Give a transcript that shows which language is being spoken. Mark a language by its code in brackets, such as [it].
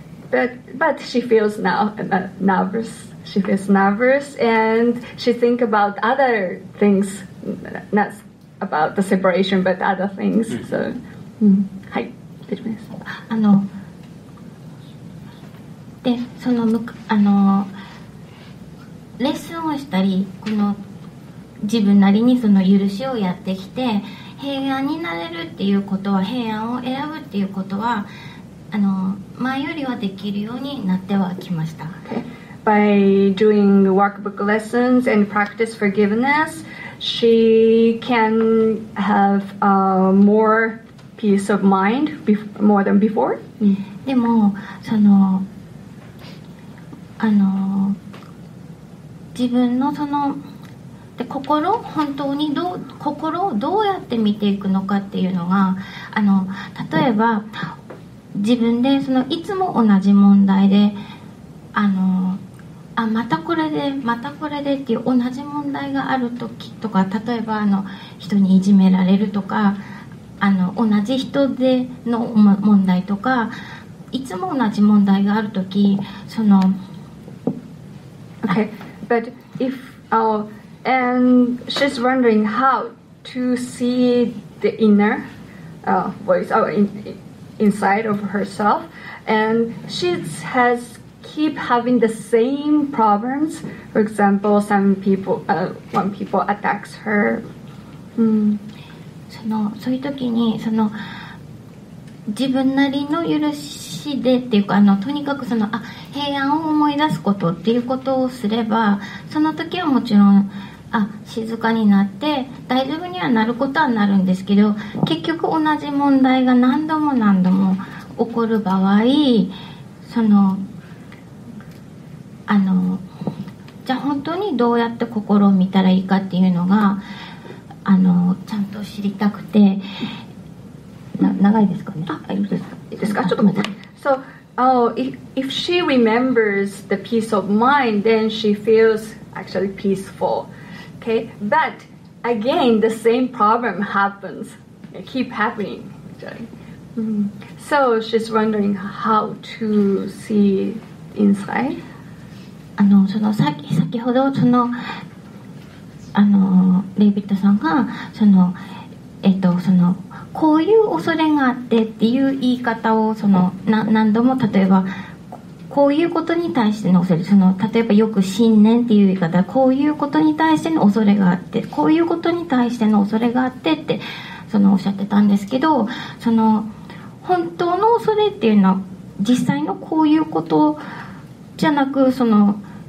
[en] But she feels now nervous. She feels nervous, and she thinks about other things, not about the separation, but other things. [ja] So, はい、大丈夫です。あの、で、その、あの、レッスンをしたり、この自分なりにその許しをやってきて、平安になれるっていうことは、平安を選ぶっていうことは、あの、前よりはできるようになってはきました。 [en] By doing workbook lessons and practice forgiveness, she can have more peace of mind more than before. [ja] でもそのあの自分のそので心本当にどう心をどうやって見ていくのかっていうのがあの例えば自分でそのいつも同じ問題であのあまたこれでまたこれでっていう同じ問題がある時とか例えばあの人にいじめられるとかあの同じ人での問題とかいつも同じ問題がある時その [en] Okay, but if and she's wondering how to see the inner voice inside of herself and she hasKeep having the same problems. For example, some people, when people attacks her. [ja] そのそういう時にその自分なりの許しでっていうかあのとにかくそのあ平安を思い出すことっていうことをすればその時はもちろんあ静かになって大丈夫にはなることはなるんですけど結局同じ問題が何度も何度も起こる場合そのあのじゃあ本当にどうやって心を見たらいいかっていうのがあのちゃんと知りたくて長いですかねあ、いいですか、いいですかちょっと待って [en] So, if she remembers the peace of mind then she feels actually peaceful okay? But again the same problem happens it keep happening So she's wondering how to see inside [ja] あのその先ほどそのあのデイビッドさんがその、そのこういう恐れがあってっていう言い方をその何度も例えばこういうことに対しての恐れ、その例えばよく信念っていう言い方、こういうことに対しての恐れがあって、こういうことに対しての恐れがあってってそのおっしゃってたんですけど、その本当の恐れっていうのは実際のこういうことじゃなく、その